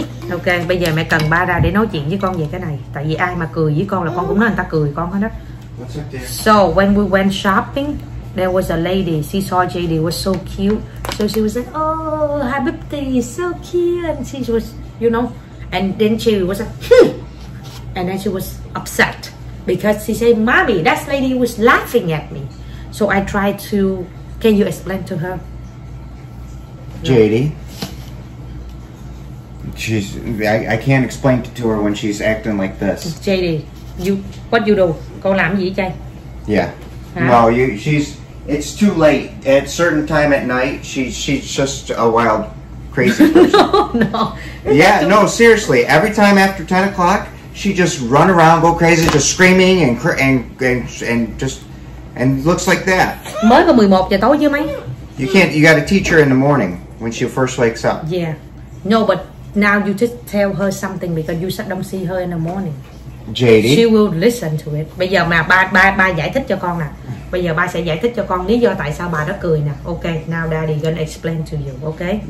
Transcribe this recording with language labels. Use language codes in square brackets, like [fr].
[vi] Ok, bây giờ mẹ cần ba ra để nói chuyện với con về cái này. Tại vì ai mà cười với con là con cũng nói người ta cười con hết đó. [en] So when we went shopping, there was a lady, she saw JD was so cute. So she was like, oh, hi baby, so cute. And she was, you know, and then she was like, hmm. And then she was upset because she said, mommy, that lady was laughing at me. So I tried to, can you explain to her? JD? She's. I can't explain it to her when she's acting like this. JD, you. What you do? [vi] Con làm gì chay? [en] Yeah. Hả? No, you. She's. It's too late. At certain time at night, she's just a wild, crazy person. No. Yeah. No. Seriously. Every time after 10 o'clock, she just run around, go crazy, just screaming and just and looks like that. [vi] Mới có 11 giờ tối chứ mấy? [en] You can't. You got to teach her in the morning when she first wakes up. Yeah. No, but. Now you just tell her something because you said don't see her in the morning. JD. She will listen to it. [vi] Bây giờ mà ba giải thích cho con nè. Bây giờ ba sẽ giải thích cho con lý do tại sao bà đó cười nè. [en] Okay, now daddy gonna explain to you, okay?